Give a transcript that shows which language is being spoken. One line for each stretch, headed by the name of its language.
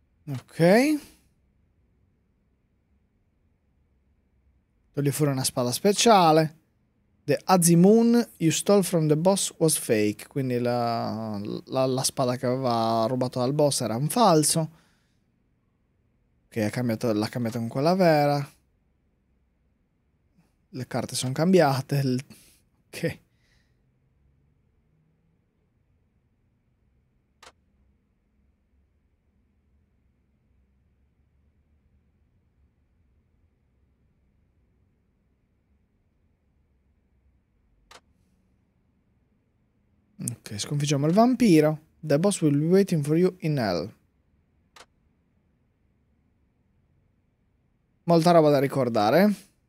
Italian: Ok. Togli fuori una spada speciale.
English: The Azimun you stole from the boss was fake.
Italian: Quindi la spada che aveva rubato dal boss era un falso. Che l'ha cambiato con quella vera. Le carte sono cambiate. Ok. Ok, sconfiggiamo il vampiro.
English: The boss will be waiting for you in hell.
Italian: Molta roba da ricordare.